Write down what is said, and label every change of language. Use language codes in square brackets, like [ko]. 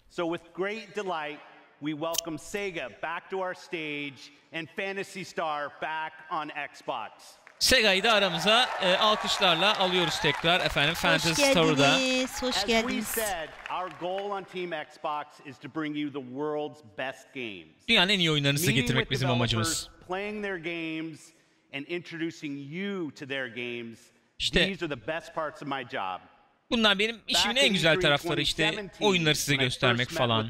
[en] So with great delight, we welcome Sega back to our stage and Phantasy Star back on Xbox. [tr] Sega'yı da aramıza alkışlarla alıyoruz tekrar efendim. Phantasy Star'da. Hoş geldiniz. [en] As we said, our goal on Team Xbox is to bring you the world's best games. [tr] Dünyanın en iyi oyunlarını size getirmek bizim amacımız. [en] Playing their games and introducing you to their games. [tr] İşte. [en] These are the best parts of my job. [tr] Bunlar benim işimin en güzel tarafları, işte oyunları size göstermek falan.